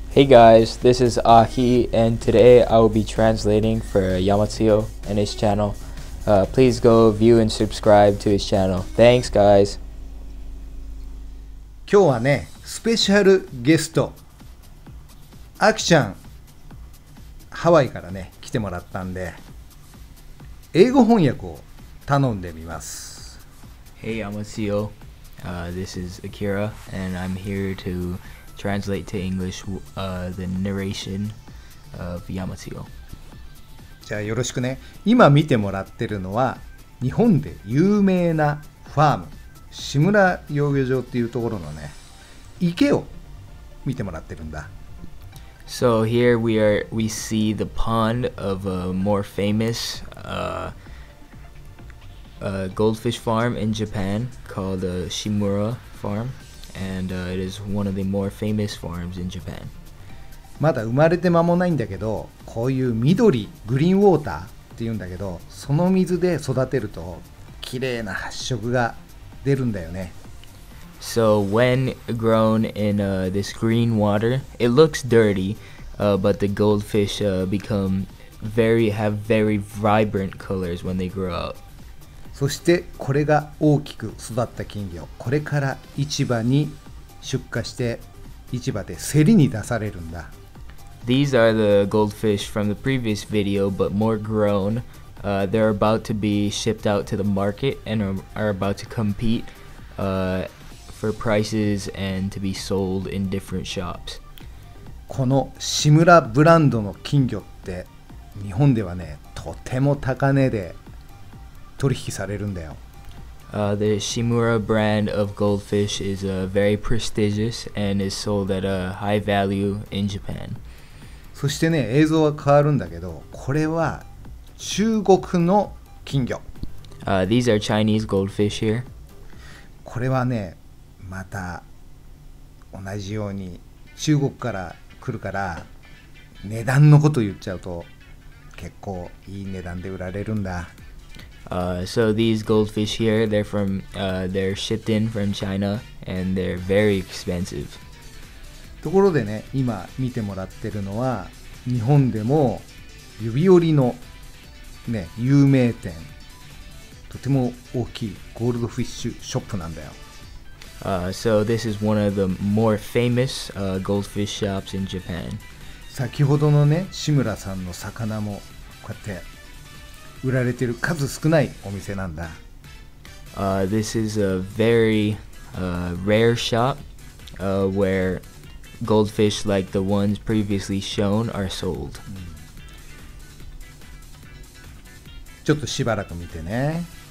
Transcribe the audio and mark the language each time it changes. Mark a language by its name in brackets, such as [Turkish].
[English] Hey guys, this is Ahi, and today I will be translating for Yamatsuyo and his channel. Please go view and subscribe to his channel. Thanks, guys. [Japanese] 今日はね、スペシャルゲスト、アキちゃん、ハワイからね、来てもらったんで、英語翻訳を頼んでみます。 [English] Hey, Yamatsuyo. This is Akira, and I'm here to... Translate to English, the narration of Yamatsuyo. [Japanese] じゃあよろしくね。今見てもらってるのは日本で有名なファーム、志村養魚場っていうところのね、池を見てもらってるんだ。 [English] So here we see the pond of a more famous goldfish farm in Japan called the Shimura Farm. And it is one of the more famous farms in Japan. [Japanese] まだ生まれて間もないんだけど、こういう緑、グリーンウォーターって言うんだけど、その水で育てると綺麗な発色が出るんだよね。 [English] So when grown in this green water, it looks dirty, but the goldfish have very vibrant colors when they grow up. [Japanese] そしてこれが大きく育った金魚、これから市場に出荷して市場で競りに出されるんだ。 [English] These are the goldfish from the previous video, but more grown. They're about to be shipped out to the market and are about to compete for prices and to be sold in different shops. [Japanese] この志村ブランドの金魚って日本ではね、とても高値で取引されるんだよ。 [English] The Shimura brand of goldfish is very prestigious and is sold at a high value in Japan. [Japanese] そしてね、映像は変わるんだけど、これは中国の金魚。 [English] These are Chinese goldfish here. [Japanese] これはね、また同じように中国から来るから値段のこと言っちゃうと結構いい値段で売られるんだ。 [English] So these goldfish here, they're shipped in from China, and they're very expensive. [Japanese] ところでね、今見てもらってるのは日本でも指折りのね、有名店、とても大きいゴールドフィッシュショップなんだよ。 [English] So this is one of the more famous goldfish shops in Japan. [Japanese] 先ほどのね、志村さんの魚もこうやって売られている数少ないお店なんだ。 [English] This is a very rare shop where goldfish like the ones previously shown are sold. [Japanese] ちょっとしばらく見てね。